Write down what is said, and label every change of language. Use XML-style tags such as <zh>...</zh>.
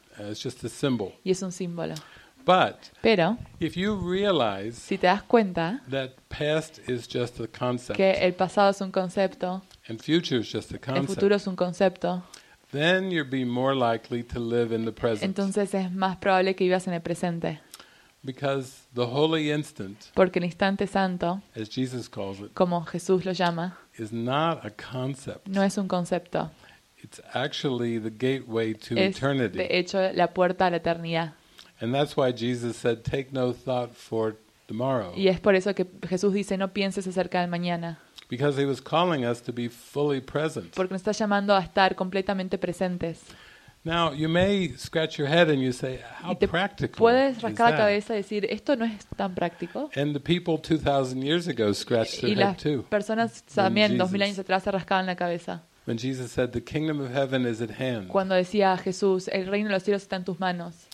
<en>It's just a symbol.</en> <es>Y es un símbolo.</es> <en>But</en> <es>pero,</es> <en>if you realize</en> <es>si te das cuenta,</es> <en>that past is just a concept,</en> <es>que el pasado es un concepto,</es> <en>and future is just a concept,</en> <es>el futuro es un concepto,</es> <en>then you'll be more likely to live in the present.</en> <es>Entonces es más probable que vivas en el presente.</es> <en>Because the holy instant,</en> <es>porque el instante santo,</es> <en>as Jesus calls it,</en> <es>como Jesús lo llama,</es> <en>is not a concept.</en> <es>No es un concepto.</es> <en>It's actually the gateway to eternity.</en> <es>De hecho, la puerta a la eternidad.</es> <en>And that's why Jesus said, "Take no thought for tomorrow."</en> <es>Y es por eso que Jesús dice, "No pienses acerca del mañana."</es> <en>Because he was calling us to be fully present.</en> <es>Porque nos está llamando a estar completamente presentes.</es> <en>Now you may scratch your head and you say, "How practical?"</en> <es>Puedes rascar la cabeza y decir, "Esto no es tan práctico."</es> <en>And the people 2,000 years ago scratched their head too.</en> <es>Y las personas también 2,000 años atrás se rascaban la cabeza.</es> <en>When Jesus said, "The kingdom of heaven is at hand."</en> <es>Cuando decía Jesús, el reino de los cielos está en tus manos.</es>